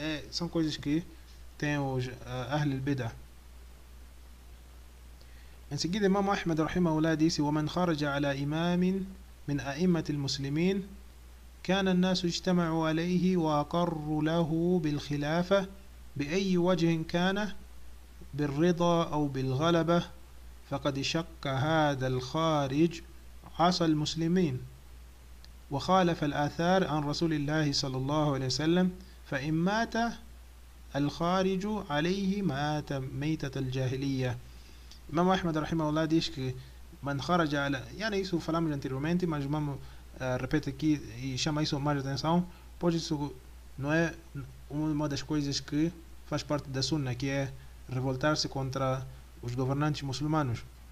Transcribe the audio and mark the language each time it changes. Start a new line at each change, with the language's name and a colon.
Portuguese: São coisas que tem os Ahlul Bidah. Em seguida, Imam Ahmad rahimahullah disse:
Arabic: "ومن خرج على إمام من أئمة المسلمين كان الناس اجتمعوا عليه وأقروا له بالخلافة بأي وجه كان بالرضا أو بالغلبة فقد شق هذا الخارج عصا المسلمين وخالف الآثار عن رسول الله صلى الله عليه وسلم فإن مات الخارج عليه مات ميتة الجاهلية".
Portuguese: Imam Ahmad rahimahullah diz que Man kharaja ala yani isso falamos anteriormente, mas vamos repetir aqui e chama isso mais atenção, pois isso não é uma das coisas que faz parte da Sunna, que é revoltar-se contra os governantes muçulmanos.